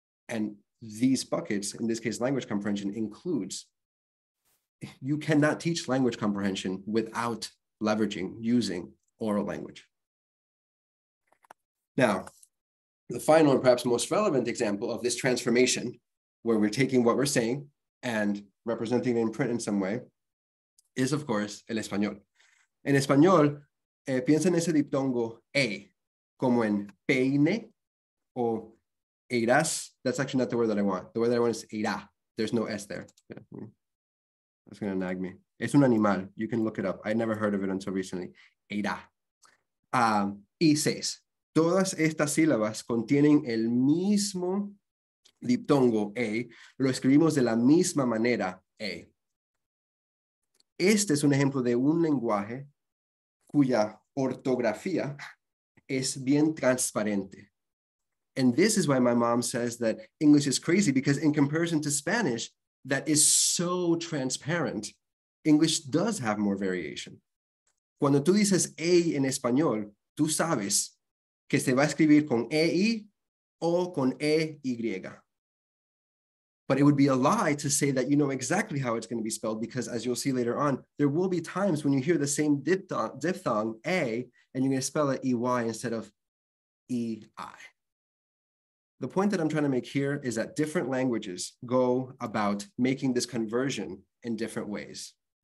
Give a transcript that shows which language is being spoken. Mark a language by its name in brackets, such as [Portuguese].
[English] And these buckets, in this case, language comprehension, includes, you cannot teach language comprehension without leveraging, using oral language. Now, the final and perhaps most relevant example of this transformation, where we're taking what we're saying and representing it in print in some way, is of course, el español. [Spanish] En español, piensa en ese diptongo e, como en peine o irás. [English] That's actually not the word that I want. The word that I want is irá. There's no S there. That's gonna nag me. [Spanish] Es un animal. [English] You can look it up. I never heard of it until recently. Irá. [Spanish] Y seis. Todas estas sílabas contienen el mismo diptongo e. Lo escribimos de la misma manera e. Este es un ejemplo de un lenguaje cuya ortografía es bien transparente. [English] And this is why my mom says that English is crazy, because in comparison to Spanish, that is so transparent, English does have more variation. [Spanish] Cuando tú dices e en español, tú sabes que se va a escribir con EI o con EY. [English] But it would be a lie to say that you know exactly how it's going to be spelled, because as you'll see later on, there will be times when you hear the same diphthong A, and you're going to spell it EY instead of EI. The point that I'm trying to make here is that different languages go about making this conversion in different ways.